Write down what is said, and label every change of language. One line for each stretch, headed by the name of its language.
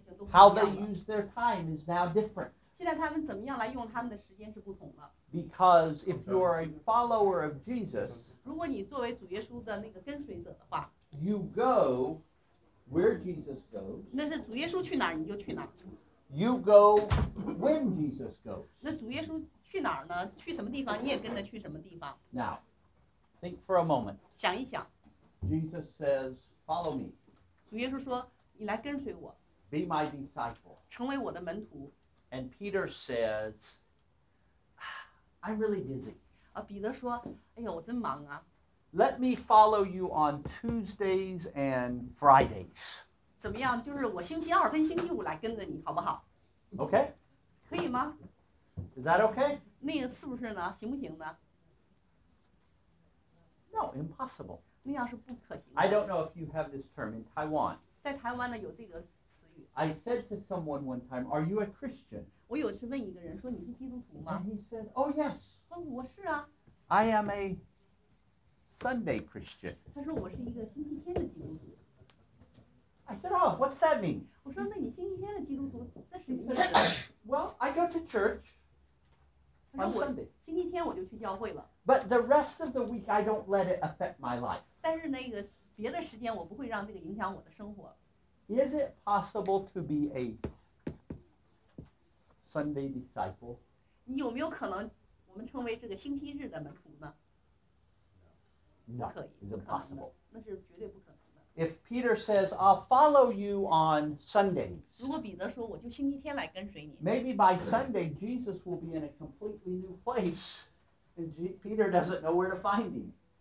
English: How they use their time is now different. Because if you are a follower of Jesus, you go. Where Jesus goes.
Chinese: 那是主耶稣去哪儿你就去哪儿。
English: You go when Jesus goes.
Chinese: 那主耶稣去哪儿呢? 去什么地方你也跟着去什么地方。
English: Now, think for a moment.
Chinese: 想一想。
English: Jesus says, follow me.
Chinese: 主耶稣说,你来跟随我。
English: Be my disciple.
Chinese: 成为我的门徒。
English: And Peter says, I'm really busy.
Chinese: 彼得说,哎呦,我真忙啊。
English: Let me follow you on Tuesdays and Fridays.
Chinese: 怎么样?就是我星期二跟星期五来跟着你,好不好?
English: Okay.
Chinese: 可以吗?
English: Is that okay?
Chinese: 那个是不是呢?行不行呢?
English: No, impossible.
Chinese: 那样是不可行的。
English: I don't know if you have this term in Taiwan.
Chinese: 在台湾呢,有这个词语。
English: I said to someone one time, are you a Christian?
Chinese: 我有次问一个人,说你是基督徒吗?
English: And he said, oh yes.
Chinese: 哦,我是啊。
English: I am a... Sunday Christian.
Chinese: 他说我是一个星期天的基督徒。
English: I said, oh, what's that mean?
Chinese: 我说那你星期天的基督徒,这是什么意思?
English: Well, I go to church on Sunday.
Chinese: 星期天我就去教会了。
English: But the rest of the week, I don't let it affect my life.
Chinese: 但是那个别的时间,我不会让这个影响我的生活。
English: Is it possible to be a Sunday disciple?
Chinese: 你有没有可能我们称为这个星期日的门徒呢?
English: No, it's impossible.
Chinese: 那是绝对不可能的。
English: If Peter says, I'll follow you on Sundays,
Chinese: 如果彼得说,我就星期天来跟随你。
English: Maybe by Sunday, Jesus will be in a completely new place, and Peter doesn't know where to find him.